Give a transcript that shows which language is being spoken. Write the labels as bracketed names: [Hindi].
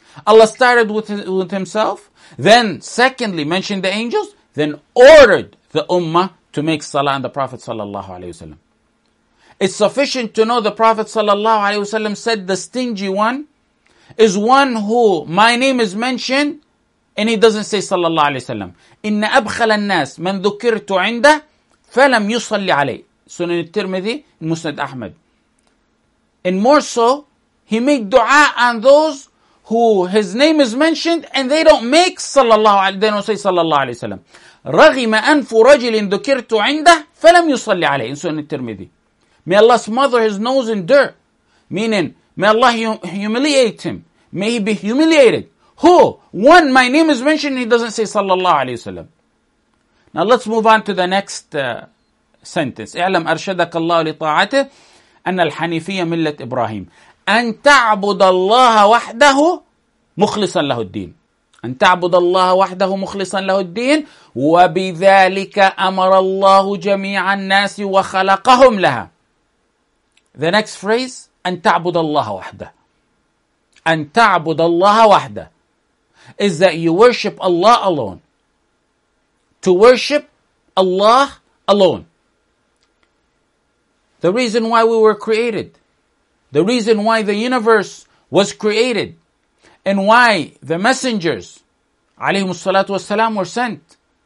[English] Allah started with himself, then secondly mentioned the angels, then ordered the ummah to make salah on the Prophet sallallahu alayhi wa sallam. It's sufficient to know the Prophet sallallahu alayhi wa sallam said the stingy one is one who my name is mentioned and he doesn't say sallallahu alayhi wa sallam. [Arabic] إِنَّ أَبْخَلَ النَّاسِ مَنْ ذُكِرْتُ عِنْدَهِ فَلَمْ يُصَلِّ عَلَيْهِ Sunan al-Tirmidhi, Musnad Ahmad. [English] And more so, he made dua on those who his name is mentioned and they don't make sallallahu alayhi, they don't say sallallahu alayhi wa sallam. [Arabic] رَغِمَ أَنْفُ رَجِلٍ ذُكِرْتُ عِنْدَهِ فَلَمْ يُصَلِّ عَلَيْهِ in Sunan al-Tirmidhi. [English] May Allah smother his nose in dirt. Meaning, may Allah humiliate him. May he be humiliated. Who? One, my name is mentioned, he doesn't say sallallahu alayhi wa sallam. Now let's move on to the next sentence. [Arabic] اِعْلَمْ أَرْشَدَكَ اللَّهُ لِطَاعَتِهِ أَنَّ الْحَنِفِيَّ مِلَّةِ إِبْرَاهِيمِ أَنْ تَعْبُدَ اللَّهَ وَحْدَهُ مُخْلِصًا لَهُ الدِّينِ أَنْ تَعْبُدَ اللَّهَ وَحْدَهُ مُخْلِصًا لَهُ الدِّينِ وَبِذَلِكَ أَمَرَ اللَّهُ جَمِيعَ النَّاسِ وَخَلَقَهُمْ لَهَا. [English] The next phrase, [Arabic] أَنْ تَعْبُدَ اللَّهَ وَحْدَهُ. أَنْ تَعْبُدَ اللَّهَ وَحْدَهُ [English] is that you worship Allah alone. To worship Allah alone. The reason why we were created, the reason why the universe was created, and why the messengers, عليهم الصلاة والسلام, were sent.